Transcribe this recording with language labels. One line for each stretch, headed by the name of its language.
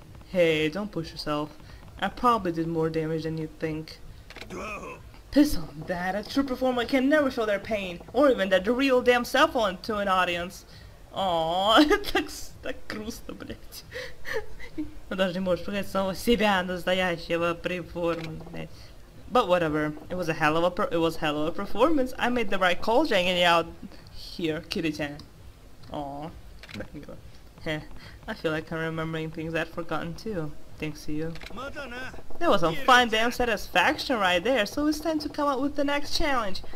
English: Hey, don't push yourself. I probably did more damage than you think. Piss on that. A true performer can never show their pain, or even their real damn self on to an audience.
Russian: Aww, так грустно, блять. Ну даже не можешь показать самого себя настоящего перформанса.
English: But whatever. It was a hell of a performance. I made the right call hanging out here, Kiri-chan. Aww. I feel like I'm remembering things I'd forgotten too, thanks to you. That was a fine damn satisfaction right there, so it's time to come up with the next challenge.